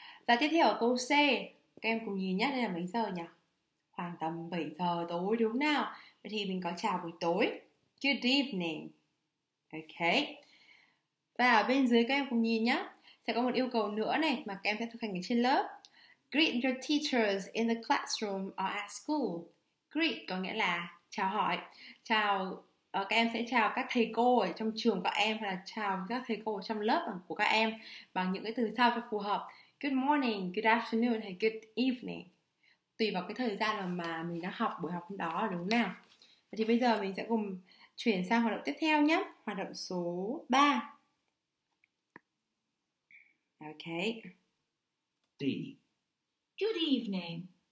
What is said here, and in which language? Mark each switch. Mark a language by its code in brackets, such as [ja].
[vi] Và tiếp theo ở câu C, các em cùng nhìn nhé, đây là mấy giờ nhỉ? Khoảng tầm 7 giờ tối đúng nào? Vậy thì mình có chào buổi tối. [en] Good evening. Ok. [vi] Và ở bên dưới các em cùng nhìn nhé. Sẽ có một yêu cầu nữa này mà các em sẽ thực hành ở trên lớp. [en] Greet your teachers in the classroom or at school. [vi] Greet có nghĩa là chào hỏi. Chào, các em sẽ chào các thầy cô ở trong trường của em hoặc là chào các thầy cô ở trong lớp của các em bằng những cái từ sau cho phù hợp. [en] Good morning, good afternoon hay good evening. [vi] Tùy vào cái thời gian mà mình đang học buổi học đó đúng không nào? Thì bây giờ mình sẽ cùng chuyển sang hoạt động tiếp theo nhé. Hoạt động số 3. [en] Ok. D. Good evening.